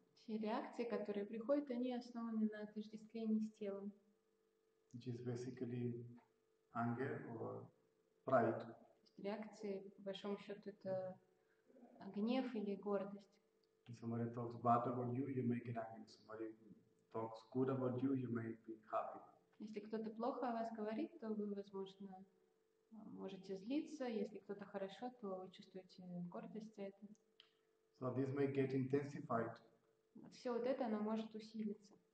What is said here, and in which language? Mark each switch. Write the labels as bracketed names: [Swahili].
[Russian] Все реакции, которые приходят, они основаны на отождествлении с телом. [English] Which is basically anger or pride. [Russian] Реакции, по большому счету, это гнев или гордость. [English] If somebody talks bad about you, you may get angry. If somebody talks good about you, you may be happy. [Russian] Если кто-то плохо о вас говорит, то вы, возможно, можете злиться, если кто-то хорошо, то вы чувствуете гордость за это. [English] So this may get intensified. [Russian] Все вот это, оно может усилиться.